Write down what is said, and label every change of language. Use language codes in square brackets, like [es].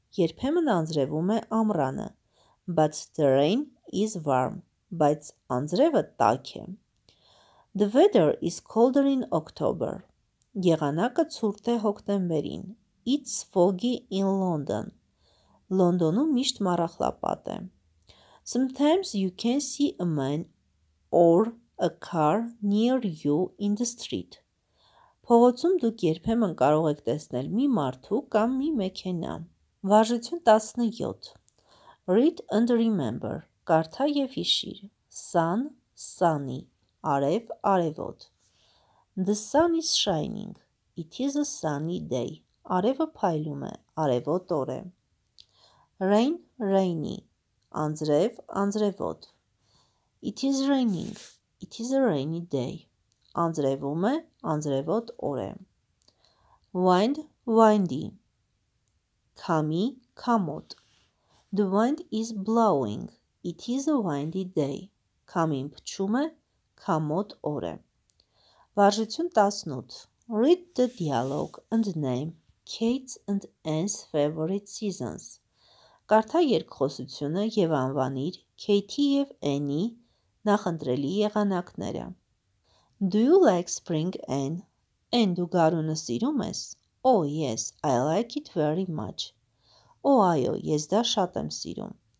[hy] Երբեմն անձրևում է ամռանը. [en] But the rain is warm. [hy] Բայց անձրևը տաք է. [en] The weather is colder in October. [hy] Եղանակը ցուրտ է հոկտեմբերին. [en] It's foggy in London. [hy] Լոնդոնում միշտ մառախլապատ է. [en] Sometimes you can see a man or a car near you in the street. [hy] Փողոցում դուք երբեմն կարող եք տեսնել մի մարդու կամ մի մեքենա. Վարժություն 17. [en] Read and remember. [hy] Կարդա և հիշիր. [en] Sun, sunny. [hy] Արև, արևոտ. [en] The sun is shining. It is a sunny day. [hy] Արևը փայլում է, արևոտ օր է. [en] Rain, rainy. [hy] Անձրև, անձրևոտ. [en] It is raining. It is a rainy day. [hy] Անձրևում է, անձրևոտ օր է. [en] Wind, windy. [hy] Քամի, քամոտ. [en] The wind is blowing. It is a windy day. [hy] Քամին փչում է, քամոտ օր է. Վարժություն 18. [en] Read the dialogue and name Kate's and Anne's favorite seasons. [hy] Կարդա երկխոսությունը և անվանիր Kate-ի և Anne-ի նախընտրելի եղանակները. [en] Do you like spring, Anne? [hy] Anne, դու գարունը սիրում ես? [en] Oh, yes, I like it very much. [hy] Oh, այո, ես դա շատ եմ սիրում.